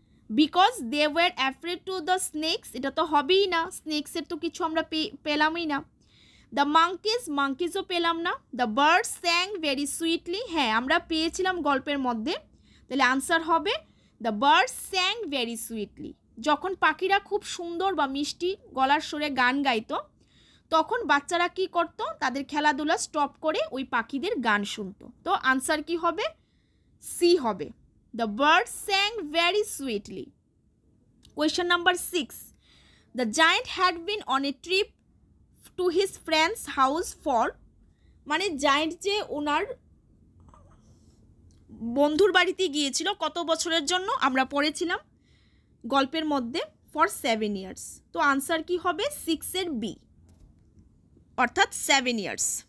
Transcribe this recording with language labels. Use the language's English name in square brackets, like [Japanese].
[English] because they were afraid to the snakes, [Bangla] এটা তো হবেই না, স্নেকসের তো কিছু আমরা পেলামই না, দ্য মাঙ্কিজ, মাঙ্কিজও পেলাম না, [English] the bird sang very sweetly, [Bangla] হ্যাঁ আমরা পেয়েছিলাম গল্পের মধ্যে, তাহলে আনসার হবে দ্য বার্ড স্যাং ভেরি সুইটলি, যখন পাখিরা খুব সুন্দর বা মিষ্টি গলার সুরে গান গাইতো তখন বাচ্চারা কী করতো, তাদের খেলাধুলা স্টপ করে ওই পাখিদের গান শুনতো। তো আনসার কী হবে, সি হবে, [English] The bird sang very sweetly. Question number 6. The giant had been on a trip to his friend's house for [Bangla] মানে জায়ান্ট যে ওনার বন্ধুর বাড়িতে গিয়েছিল কত বছরের জন্য আমরা পড়েছিলাম গল্পের মধ্যে [English] for 7 years [Bangla] তো আনসার কি হবে 6 এর বি অর্থাৎ 7 years